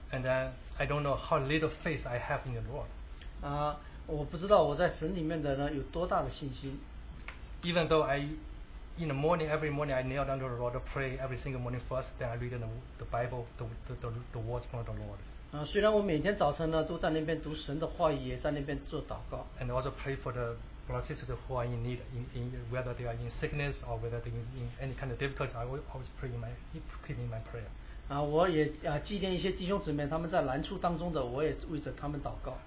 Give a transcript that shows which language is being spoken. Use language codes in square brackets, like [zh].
[en] And then I don't know how little faith I have in the Lord. [zh] 我不知道我在神里面的呢有多大的信心。 [en] Even though every morning I kneel under the Lord to pray every single morning first, then I read the Bible, the words from the Lord. [zh] 虽然我每天早晨呢都在那边读神的话语，也在那边做祷告。 [en] And also pray for the blessings of who are in need, whether they are in sickness or whether they are in any kind of difficulties, I always pray keep in my prayer. [zh] 我也纪念一些弟兄姊妹，他们在难处当中的，我也为着他们祷告。